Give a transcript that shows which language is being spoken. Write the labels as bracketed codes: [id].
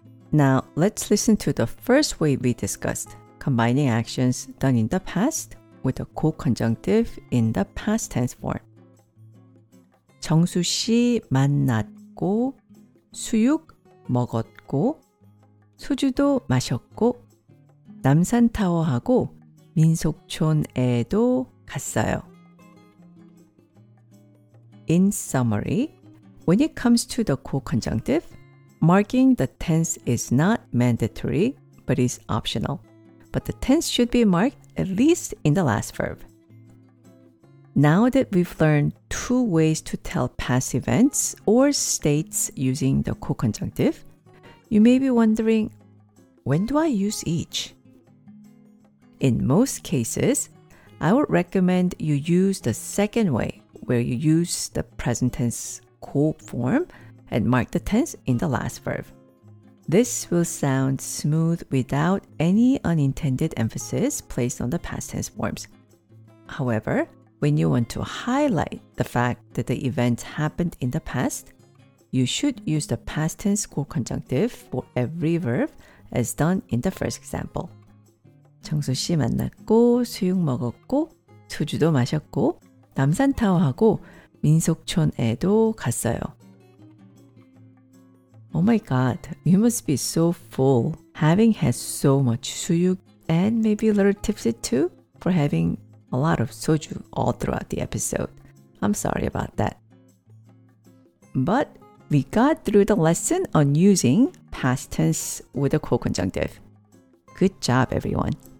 [en] Now, let's listen to the first way we discussed, combining actions done in the past with a co-conjunctive in the past tense form. [ko] 정수 씨 만났고 수육 먹었고 소주도 마셨고 남산타워하고 민속촌에도 갔어요. [en] In summary, when it comes to the co-conjunctive, marking the tense is not mandatory but is optional. But the tense should be marked at least in the last verb. Now that we've learned two ways to tell past events or states using the co-conjunctive, you may be wondering, when do I use each? In most cases, I would recommend you use the second way, where you use the present tense co form and mark the tense in the last verb. This will sound smooth without any unintended emphasis placed on the past tense forms. However, when you want to highlight the fact that the event happened in the past, you should use the past tense co-conjunctive for every verb as done in the first example. [ko] 정수 씨 만났고 수육 먹었고 소주도 마셨고 남산타워하고 민속촌에도 갔어요. [en] Oh my god, you must be so full having had so much 수육 and maybe a little tipsy too for having a lot of soju all throughout the episode. I'm sorry about that. But we got through the lesson on using past tense with a co-conjunctive. Good job, everyone.